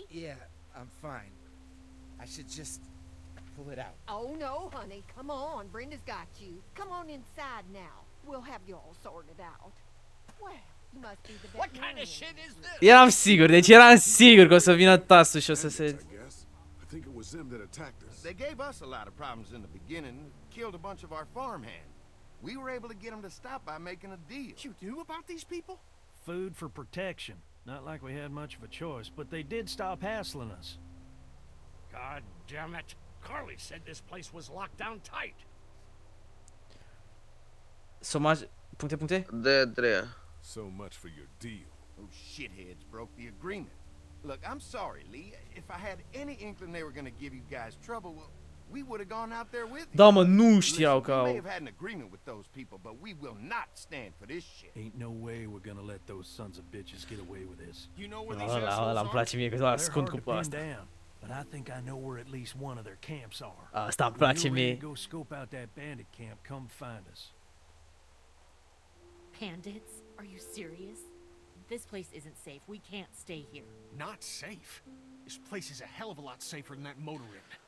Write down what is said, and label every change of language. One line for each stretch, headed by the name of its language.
English: Yeah, I'm fine. I should just pull it out. Oh no, honey, come on. Brenda's got you. Come on inside now. We'll have you all sorted out. Well, you must be the best. What kind of shit is this?
Romanian: Eram sigur, deci eram sigur că o să vină Tasu și o să se...
English: I think it was them that attacked us. They gave us a lot of problems in the beginning, killed a bunch of our farmhands. We were able to get them to stop by making a deal. You knew about these people? Food for protection. Not like we had much of a choice, but they did stop hassling us. God damn it. Carly said this place was locked down tight. So much...
Romanian: Puncte, puncte? De treia.
English: So much for your deal. Those shitheads broke the agreement. Look, I'm sorry, Lee. If I had any inkling they were gonna give you guys trouble, well... We would have gone out there with you.
Romanian: Da, mă, nu știau că au.
English: We may have had an agreement with those people, but we will not stand for this shit. Ain't no way we're gonna let those sons of bitches get away with this. You know where these assholes are?
Romanian: Îmi place mie că s-a ascund cu asta.
English: But I think I know where at least one of their camps are.
Romanian: Asta îmi place mie.
English: Go scope out that bandit camp, come find us. Bandits? Are you serious? This place isn't safe. We can't stay here. Not safe? This place is a hell of a lot safer than that motor inn.